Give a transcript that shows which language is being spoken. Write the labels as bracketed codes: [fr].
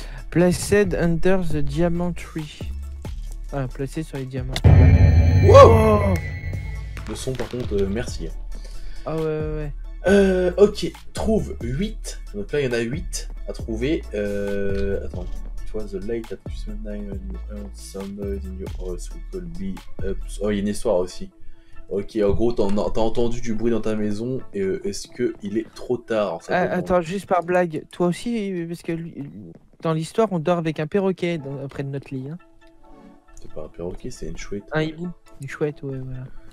[en] Placed under the diamond tree. [fr] Ah, placé sur les diamants. Wow! Wow! Le son par contre, merci. Ah, ouais. Ok, trouve 8. Donc là il y en a 8 à trouver. Attends. [en] It was the light at Christmas night when you heard somebody in your house who could be up. [fr] Oh, il y a une histoire aussi. Ok, en gros, t'as entendu du bruit dans ta maison et est-ce qu'il est trop tard? Alors, ça dépend. Attends, juste par blague, toi aussi, parce que dans l'histoire, on dort avec un perroquet auprès de notre lit, hein. C'est pas un perroquet, c'est une chouette. Un hibou, une chouette, ouais, voilà.